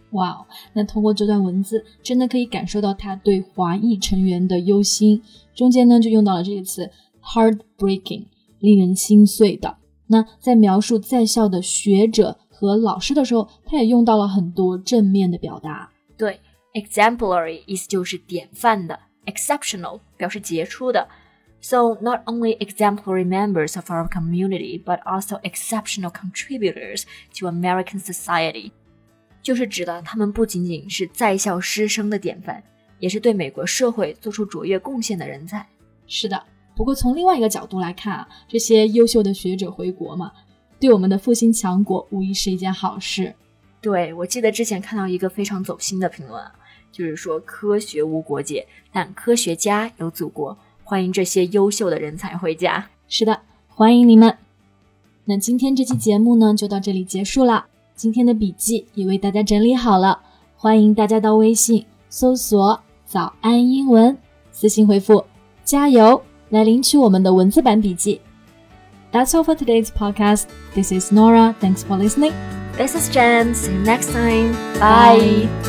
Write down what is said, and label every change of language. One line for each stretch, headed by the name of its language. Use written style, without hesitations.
Chinese: Wow, 那通过这段文字真的可以感受到他对华裔成员的忧心。中间呢就用到了这个词 heartbreaking, 令人心碎的。那在描述在校的学者和老师的时候，他也用到了很多正面的表达。对， exemplary 意思就是典范的， exceptional 表示杰出的。
English: So, not only exemplary members of our community, but also exceptional contributors to American society.
Chinese: 就是指的他们不仅仅是在校师生的典范，也是对美国社会做出卓越贡献的人才。是的，不过从另外一个角度来看，这些优秀的学者回国嘛，对我们的复兴强国无疑是一件好事。对，我记得之前看到一个非常走心的评论，就是说科学无国界，但科学家有祖国。欢迎这些优秀的人才回家。是的，欢迎你们。那今天这期节目呢，就到这里结束了。今天的笔记也为大家整理好了，欢迎大家到微信搜索“早安英文”，私信回复“加油”来领取我们的文字版笔记。
English: That's all for today's podcast. This is Nora. Thanks for listening. This is Jen. See you next time. Bye.